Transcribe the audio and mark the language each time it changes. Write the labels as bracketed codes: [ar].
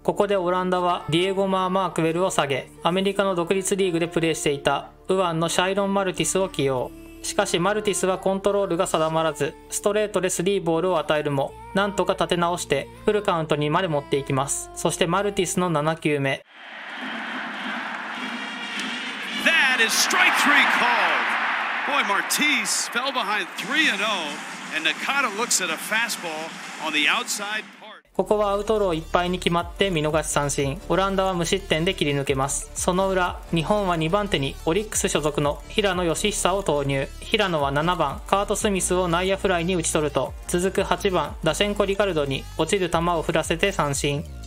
[ja] ここでオランダはディエゴ・マー・マークウェルを下げ、アメリカの独立リーグでプレーしていた右腕のシャイロン・マルティスを起用。しかしマルティスはコントロールが定まらず、ストレートで3ボールを与えるも、なんとか立て直してフルカウントにまで持っていきます。そしてマルティスの7球目。 [en] That is strike three called. Boy, Martise fell behind 3-0, and Nakata looks at a fastball on the outside. [ja] ここはアウトローいっぱいに決まって見逃し三振。オランダは無失点で切り抜けます。その裏、日本は2番手にオリックス所属の平野義久を投入。平野は7番カート・スミスを内野フライに打ち取ると、続く8番ダシェンコ・リカルドに落ちる球を振らせて三振。